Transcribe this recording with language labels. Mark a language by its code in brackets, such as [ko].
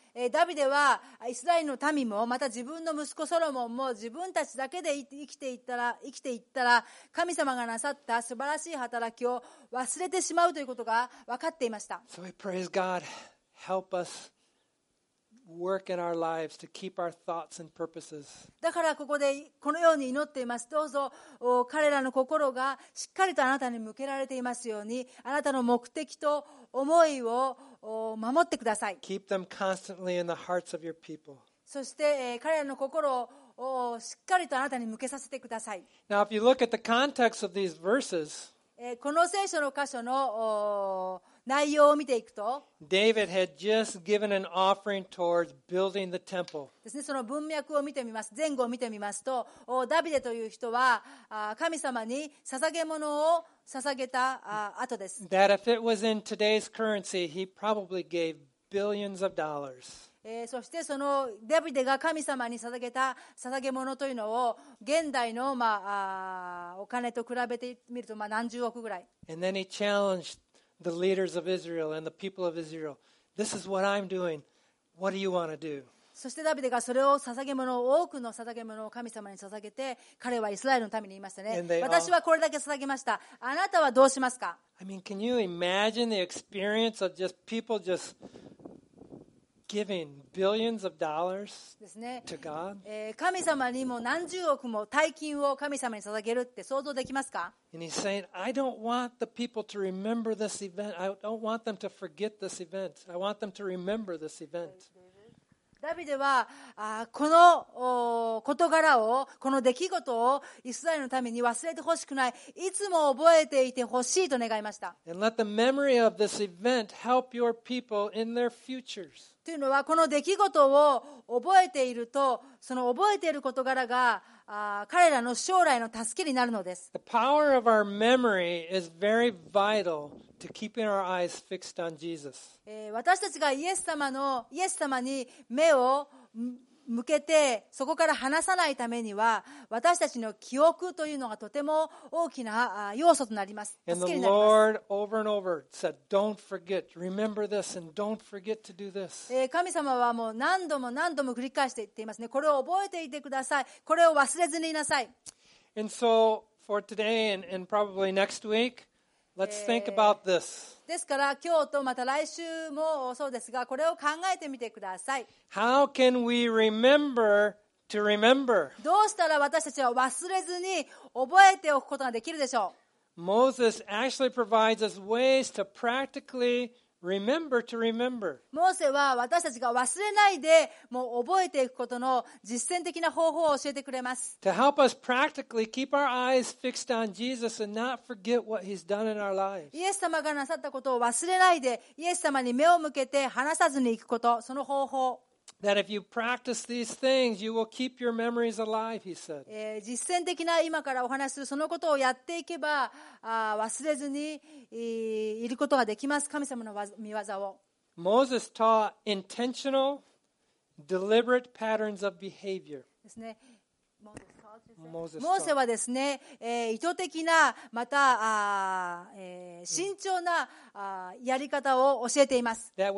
[ja] ダビデはイスラエルの民もまた自分の息子ソロモンも自分たちだけで生きていったら神様がなさった素晴らしい働きを忘れてしまうということが分かっていました。 [en] So we praise God, help us work in our lives to keep our thoughts and purposes. [ja] だからここでこのように祈っています。どうぞ彼らの心がしっかりとあなたに向けられていますように、あなたの目的と思いを守ってください。 [en] Keep them constantly in the hearts of your people. [ja] そして彼らの心をしっかりとあなたに向けさせてください。 [en] Now if you look at the context of these verses, [ja] この聖書の箇所の内容を見ていくと、 [en] David had just given an offering towards building the temple. [ja] ですね、その文脈を見てみます。前後を見てみますと、ダビデという人は神様に捧げ物を捧げた後です。 [en] That if it was in today's currency, he probably gave billions of dollars. [ja] そしてそのダビデが神様に捧げた捧げ物というのを現代の、まあ、お金と比べてみると、まあ、何十億ぐらい。 [en] And then he challenged the leaders of Israel and the people of Israel. This is what I'm doing. What do you want to do? [ja] そしてダビデがそれを捧げ物を多くの捧げ物を神様に捧げて彼はイスラエルのために言いましたね。私はこれだけ捧げました。あなたはどうしますか? [en] I mean, can you imagine the experience of just people just... Giving billions of dollars to God. [ja] 神様にも何十億も大金を神様に捧げるって想像できますか? [en] And he's saying, I don't want the people to remember this event. I don't want them to forget this event. I want them to remember this event. [ja] ダビデはこの事柄をこの出来事をイスラエルのために忘れてほしくない。いつも覚えていてほしいと願いました。 [en] And let the memory of this event help your people in their futures. [ja] というのはこの出来事を覚えているとその覚えている事柄が彼らの将来の助けになるのです。 [en] The power of our memory is very vital to keeping our eyes fixed on Jesus. [ja] 私たちがイエス様に目を向けてそこから離さないためには私たちの記憶というのがとても大きな要素となります。助けになります。 [en] And the Lord over and over said, "Don't forget. Remember this, and don't forget to do this." [ja] 神様はもう何度も何度も繰り返して言っていますね。これを覚えていてください。これを忘れずにいなさい。 [en] And so for today and probably next week. Let's think about this. [ja] ですから今日とまた来週もそうですが、これを考えてみてください。 [en] How can we remember to remember? [ja] どうしたら私たちは忘れずに覚えておくことができるでしょう? [en] Moses actually provides us ways to practically remember to remember. [ja] モーセは私たちが忘れないでもう覚えていくことの実践的な方法を教えてくれます。 [en] To help us practically keep our eyes fixed on Jesus and not forget what He's done in our lives. [ja] イエス様がなさったことを忘れないで、イエス様に目を向けて離さずに行くこと、その方法。 [en] That if you practice these things, you will keep your memories alive, he said. [ja] 実践的な今からお話するそのことをやっていけば、忘れずにいることができます。神様の御業を。 [en] Moses taught intentional, deliberate patterns of behavior. [ja] ですね。モーセはですね、意図的なまた慎重なやり方を教えています。